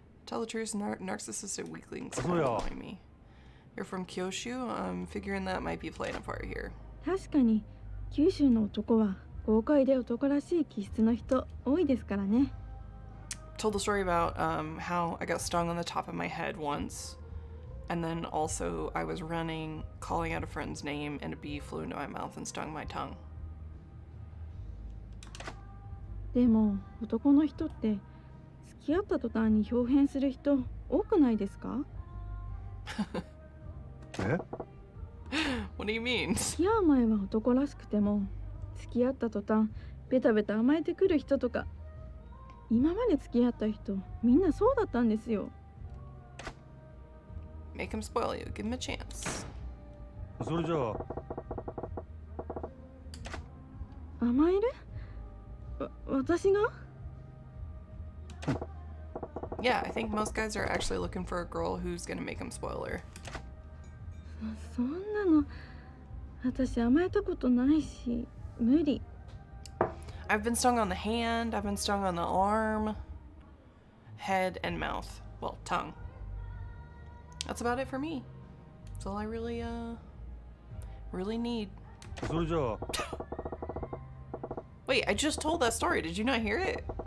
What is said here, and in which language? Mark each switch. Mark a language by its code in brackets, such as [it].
[en] Tell the truth, narcissistic weaklings are annoying me. You're from Kyushu? I'm figuring that might be playing a part here. [ja] 確かに、九州の男は豪快で男らしい気質の人多いですからね。 [en] Told the story about how I got stung on the top of my head once. And then also I was running, calling out a friend's name, and a bee flew into my mouth and stung my tongue. [ja] でも男の人って付き合った途端に豹変する人多くないですか？ [en] What do you mean? [ja] 付き合う前は男らしくても付き合った途端ベタベタ甘えてくる人とか今まで付き合った人みんなそうだったんですよ。 [en] Make him spoil you. Give him a chance. [ja] それじゃあ甘える？私が？ [en] Yeah, I think most guys are actually looking for a girl who's gonna make him spoil her. [ja] そんなの私甘えたことないし無理。 [en] I've been stung on the hand, I've been stung on the arm, head and mouth. Well, tongue. That's about it for me. That's all I really, really need. [ja] それじゃあ。 [en] Wait, I just told that story. Did you not hear it?